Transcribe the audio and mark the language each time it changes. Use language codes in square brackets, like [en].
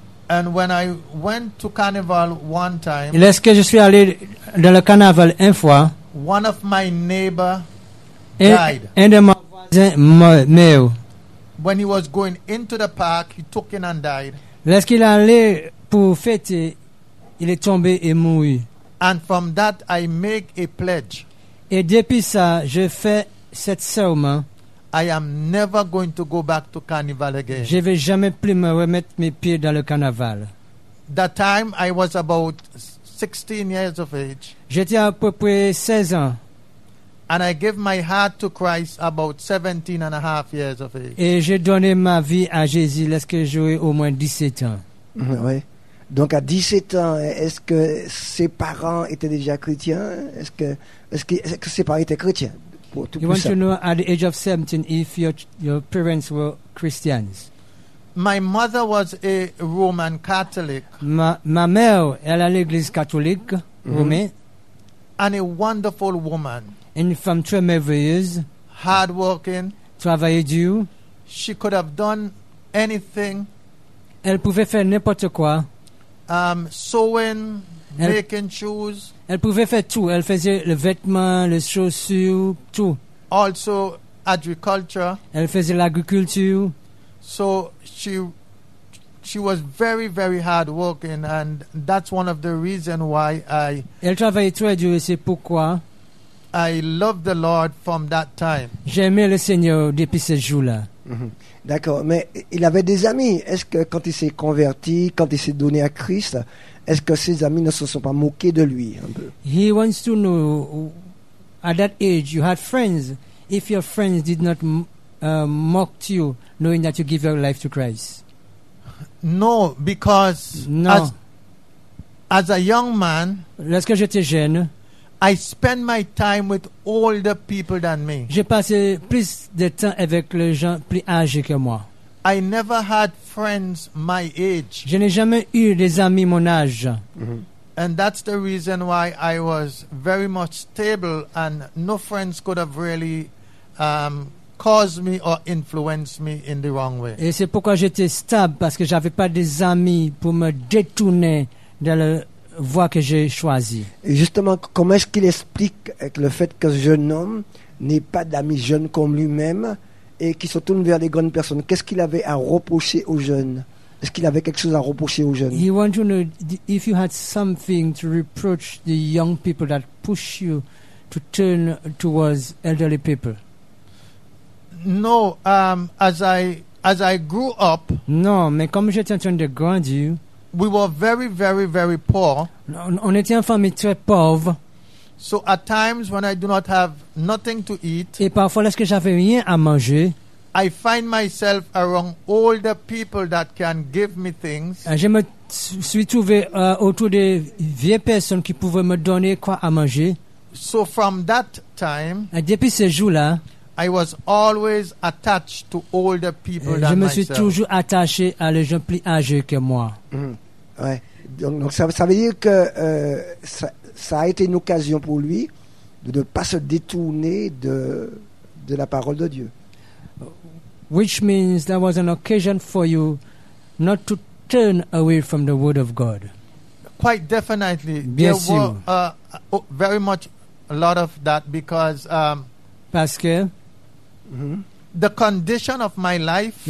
[en] And when I went to carnival one time, [fr] lorsque je suis allé dans le carnaval une fois, [en] one of my neighbor died. [fr] Un de mes voisins meurt. [en] When he was going into the park, he took in and died. [fr] Lorsqu'il allait pour fêter, il est tombé et mouru. [en] And from that, I make a pledge. [fr] Et depuis ça, je fais cette serment. [en] I am never going to go back to carnival again. [fr] Je vais jamais plus me remettre mes pieds dans le carnaval. [en] That time, I was about 16 years of age. [fr] J'étais à peu près 16 ans. [en] And I gave my heart to Christ about 17 and a half years of age. [fr] Et j'ai donné ma vie à Jésus lorsque j'avais au moins 17 ans. Oui. Donc à 17 ans, est-ce que ses parents étaient déjà chrétiens? Est-ce que ses parents étaient chrétiens? [en] You want to know at the age of 17 if your parents were Christians? My mother was a Roman Catholic. [fr] Ma mère, elle a l'église catholique, romaine. [en] And a wonderful woman. [fr] Une femme très merveilleuse. [en] Hard working. [fr] Travailler dur. [en] She could have done anything. [fr] Elle pouvait faire n'importe quoi. [en] Sewing, elle, making shoes. [fr] Elle pouvait faire tout. Elle faisait le vêtement, les chaussures, tout. [en] Also, agriculture. [fr] Elle faisait l'agriculture. [en] So she was very, very hard working, and that's one of the reasons why I. [fr] Elle travaillait très dur. C'est pourquoi. [en] I loved the Lord from that time. [fr] J'aimais le Seigneur depuis ce jour-là. D'accord, mais il avait des amis. Est-ce que quand il s'est converti, quand il s'est donné à Christ, est-ce que ses amis ne se sont pas moqués de lui un peu? [en] He wants to know at that age you had friends. If your friends did not mock you, knowing that you give your life to Christ. No, because no. As a young man, [fr] lorsque j'étais jeune, [en] I spend my time with older people than me. [fr] J'ai passé plus de temps avec les gens plus âgés que moi. [en] I never had friends my age. [fr] Je n'ai jamais eu des amis mon âge. [en] And that's the reason why I was very much stable, and no friends could have really caused me or influenced me in the wrong way. [fr] Et c'est pourquoi j'étais stable, parce que j'avais pas des amis pour me détourner de la voie que j'ai choisie. Et justement, comment est-ce qu'il explique avec le fait que ce jeune homme n'ait pas d'amis jeunes comme lui-même et qu'il se tourne vers les grandes personnes? Qu'est-ce qu'il avait à reprocher aux jeunes? Est-ce qu'il avait quelque chose à reprocher aux jeunes? [en] He wants to know if you had something to reproach the young people that push you to turn towards elderly people. No, as I grew up. [fr] Non, mais comme j'étais en train de grandir. [en] We were very, very, very poor. [fr] On était une famille très pauvre. [en] So at times when I do not have nothing to eat, [fr] et parfois lorsque j'avais rien à manger, [en] I find myself around older people that can give me things. [fr] Je me suis trouvé autour de vieilles personnes qui pouvaient me donner quoi à manger. [en] So from that time, [fr] depuis ce jour-là, [en] I was always attached to older people than myself. [fr] Je me suis toujours attaché à les gens plus âgés que moi. Ouais. Donc ça veut dire que ça a été une occasion pour lui de ne pas se détourner de la parole de Dieu. [en] Which means that was an occasion for you not to turn away from the word of God. Quite definitely. [fr] Bien sûr. [en] There were very much a lot of that because [fr] parce que [en] the condition of my life,